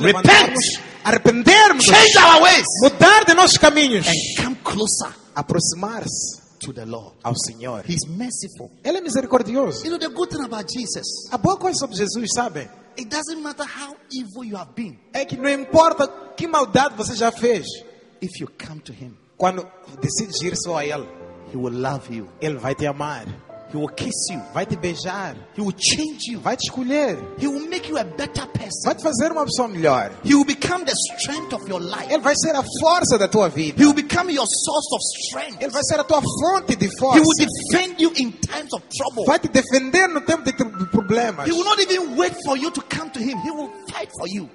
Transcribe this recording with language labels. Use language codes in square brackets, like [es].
[en] repent, [pt] arrependermos, [en] change our ways, [pt] mudar de nossos caminhos, [en] and come closer, [pt] aproximar-se [en] to the Lord, [pt] ao Senhor. [en] He's merciful. [pt] Ele é misericordioso. [en] You know the good thing about Jesus. [pt] A boa coisa sobre Jesus, sabe? [en] It doesn't matter how evil you have been. [pt] É que não importa que maldade você já fez. [en] If you come to him, [pt] quando decides ir só a ele, [en] he will love you. [pt] Ele vai te amar. [en] He will kiss you. [pt] Vai te beijar. [en] He will change you. [pt] Vai te escolher. [en] He will make you a better person. [pt] Vai te fazer uma pessoa melhor. [en] He will become the strength of your life. [pt] Ele vai ser a força da tua vida. [en] He will become your source of strength. [pt] Ele vai ser a tua fonte de força. [en] He will defend you in times of trouble. [pt] Vai te defender no tempo de problemas. [en] He will not even wait for you to come to him. He will fight for you.